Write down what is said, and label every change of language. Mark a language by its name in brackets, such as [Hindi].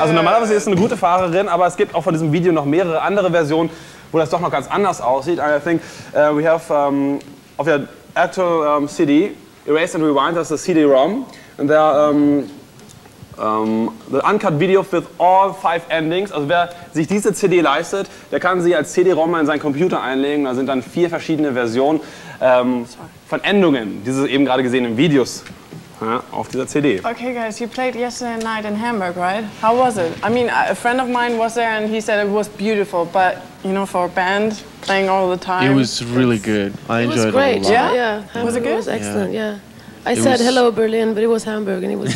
[German] Also normalerweise ist eine gute Fahrerin, aber es gibt auch von diesem Video noch mehrere andere Versionen, wo das doch noch ganz anders aussieht. [English] And I think we have of your actual CD, Erase and Rewind, that's the CD-ROM, and there are the uncut video with all five endings. [German] Also wer sich diese CD leistet, der kann sie als CD-ROM in seinen Computer einlegen. Da sind dann vier verschiedene Versionen von Endungen, diese eben gerade gesehenen Videos auf dieser CD. [English] Okay, guys, you played yesterday night in Hamburg, right? How was it? I mean, a friend of mine was there and he said it was beautiful, but, you know, for a band playing all the time. It was really good. I enjoyed it a lot. It was great, yeah? Hamburg, was it good? It was excellent, yeah. I said hello, Berlin, but it was Hamburg and it was